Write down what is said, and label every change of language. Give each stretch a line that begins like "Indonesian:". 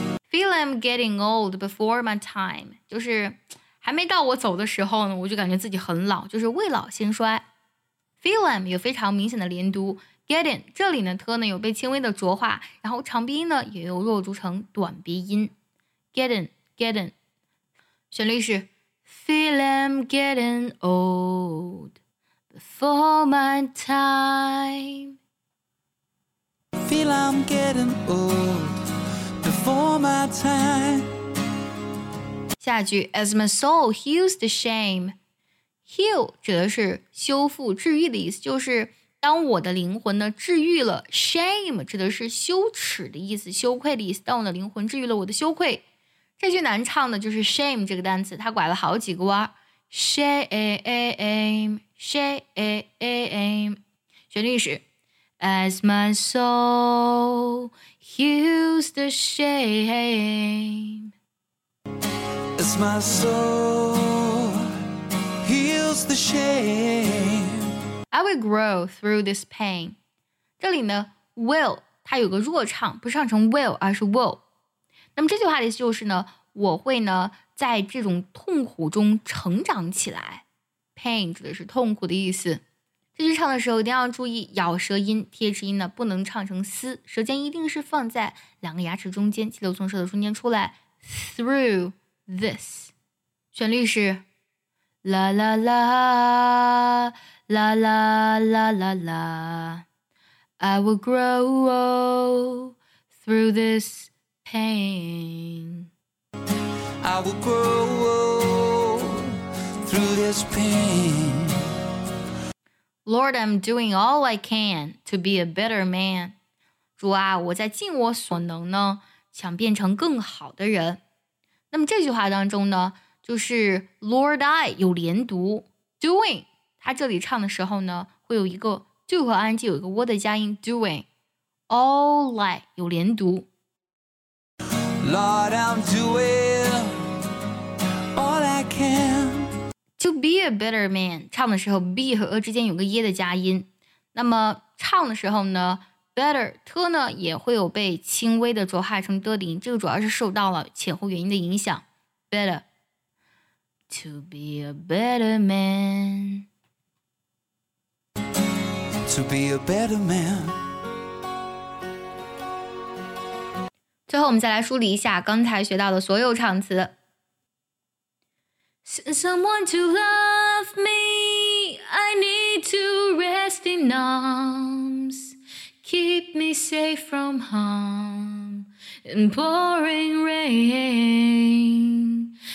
English: Feel I'm getting old before my time
Chinese: 就是还没到我走的时候呢我就感觉自己很老就是未老先衰 Feel I'm 有非常明显的连读 Getting 这里呢特呢有被轻微的浊化然后长鼻音呢也有弱读成短鼻音 Getting Getting 旋律是
English: Feel I'm getting old before my time Feel I'm getting oldFor my time
Chinese: 下一句
English: As my soul heals the shame
Chinese: Heal 指的是修复治愈的意思就是当我的灵魂呢治愈了 Shame 指的是羞耻的意思羞愧的意思当我的灵魂治愈了我的羞愧这句难唱的就是 shame 这个单词，它拐了好几个弯。
English: Shame，shame，shame。
Chinese: 旋律是
English: As my soul hears the shame。 As my soul hears the shame。 I will grow through this pain。
Chinese: 这里呢 ，will 它有个弱唱，不是唱成 will 而是 will。那么这句话的意思就是呢，我会呢在这种痛苦中成长起来。 Pain 指的是痛苦的意思。这句唱的时候一定要注意咬舌音 ，th 音呢不能唱成嘶，舌尖一定是放在两个牙齿中间，气流从舌头中间出来。
English: Through this，
Chinese: 旋律是啦啦啦啦啦啦啦啦。
English: I will grow through this pain. I will grow through this pain. Lord, I'm doing all I can to be a better man.
Chinese: 主啊，我在尽我所能呢，想变成更好的人。那么这句话当中呢，就是
English: Lord I
Chinese: 有连读 doing， 他这里唱的时候呢，会有一个。 do 和 ing 有一个 wo 的加音
English: doing all like
Chinese: 有连读
English: Lord I'm doing all I can to be a better man
Chinese: 唱的时候 be 和 a 之间有个 ye 的加音那么唱的时候呢 better to 呢也会有被轻微的浊化成的音这个主要是受到了前后元音的影响 better
English: to be a better manTo be a better man.
Chinese: 最后我们再来梳理一下刚才学到的所有唱词。
English: Send someone to love me, I need to rest in arms. Keep me safe from harm and pouring rain.